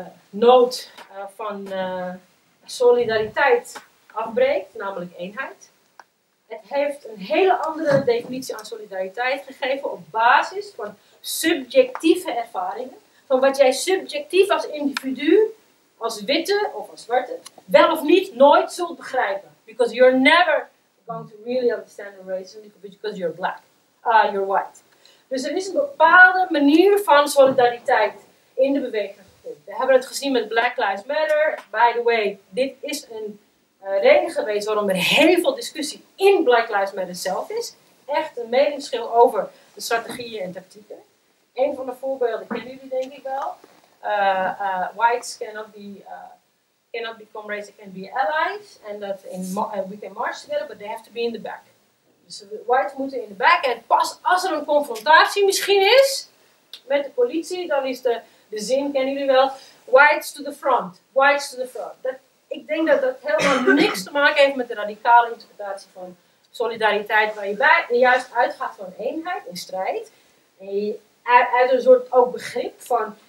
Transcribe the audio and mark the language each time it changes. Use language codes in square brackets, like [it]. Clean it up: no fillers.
[nl] nood van solidariteit afbreekt, namelijk eenheid. Het heeft een hele andere definitie aan solidariteit gegeven op basis van subjectieve ervaringen, van wat jij subjectief als individu, als witte of als zwarte, wel of niet nooit zult begrijpen. [en] Because you're never going to really understand the racism because you're black, you're white. [nl] Dus er is een bepaalde manier van solidariteit in de beweging. We hebben het gezien met Black Lives Matter. [en] By the way, [nl] dit is een reden geweest waarom er heel veel discussie in Black Lives Matter zelf is. Echt een meningsverschil over de strategieën en tactieken. Een van de voorbeelden kennen jullie denk ik wel. [en] Whites cannot become racist, they can be allies. And that we can march together, but they have to be in the back. [nl] Dus [en] so whites [nl] moeten in de [en] back. [nl] En pas als er een confrontatie misschien is met de politie, dan is de... De zin kennen jullie wel. [en] Whites to the front. Whites to the front. [nl] Ik denk dat dat helemaal niks te maken heeft met de radicale interpretatie van solidariteit. Waar je juist uitgaat van eenheid en strijd. En uit een soort ook begrip van...